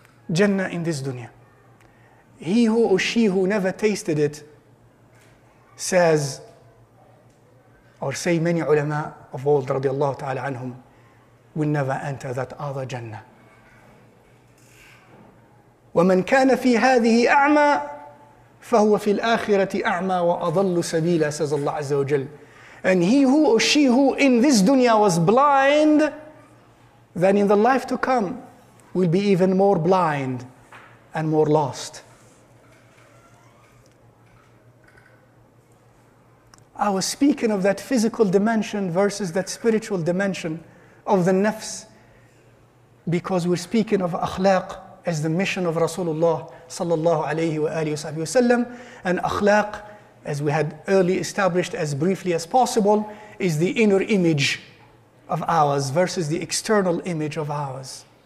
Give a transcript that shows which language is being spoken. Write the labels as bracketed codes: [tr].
[en] Jannah in this dunya. He who or she who never tasted it says, or say many ulama of old radiallahu ta'ala anhum, will never enter that other Jannah. [ar] وَمَنْ كَانَ فِي هَذِهِ أَعْمَى فَهُوَ فِي الْآخِرَةِ أَعْمَى وَأَضَلُّ سَبِيلًا, says Allah Azza wa Jal. [en] And he who or she who in this dunya was blind, then in the life to come will be even more blind and more lost. I was speaking of that physical dimension versus that spiritual dimension of the nafs, because we're speaking of akhlaq as the mission of Rasulullah sallallahu alayhi wa alihi wa sallam, and akhlaq, as we had early established as briefly as possible, is the inner image of ours versus the external image of ours.